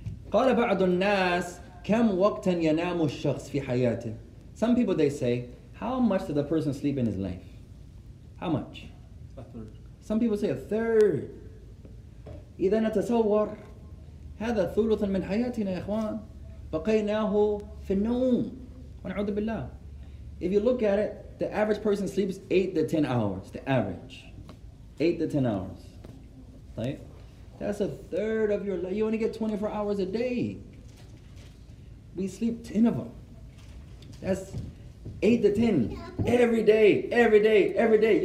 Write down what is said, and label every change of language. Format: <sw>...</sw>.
<ar>قال بعض الناس كم وقتا ينام الشخص في حياته.</ar> <en>Some people, they say, how much does a person sleep in his life? How much? A third. Some people say a third.</en> <ar>إذا نتصور هذا ثلث من حياتنا يا إخوان بقيناه في النوم ونعوذ بالله.</ar> <en>If you look at it, the average person sleeps 8 to 10 hours. The average. 8 to 10 hours. Right? That's a third of your life. You only get 24 hours a day. We sleep 10 of them. That's 8 to 10 every day.</en>